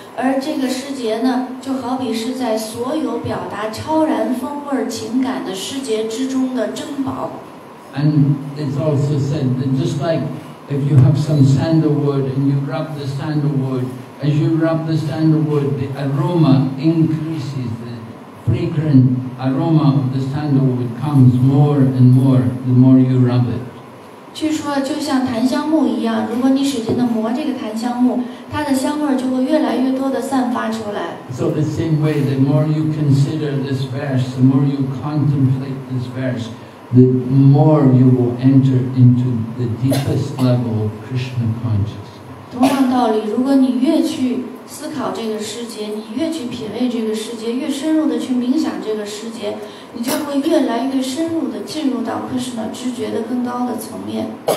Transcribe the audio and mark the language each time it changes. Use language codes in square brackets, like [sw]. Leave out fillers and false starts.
[zh] 而这个诗节呢，就好比是在所有表达超然风味情感的诗节之中的珍宝。 [en] And it's also said that just like if you have some sandalwood and you rub the sandalwood, as you rub the sandalwood, the aroma increases, the fragrant aroma of the sandalwood comes more and more the more you rub it. [zh] 据说就像檀香木一样，如果你使劲地磨这个檀香木，它的香味就会越来越多地散发出来。 [en] So the same way, the more you consider this verse, the more you contemplate this verse, the more you will enter into the deepest level of Krishna consciousness. [zh] 同样道理，如果你越去思考这个诗节，你越去品味这个诗节，越深入地去冥想这个诗节，你就会越来越深入地进入到 Krishna 知觉的更高的层面。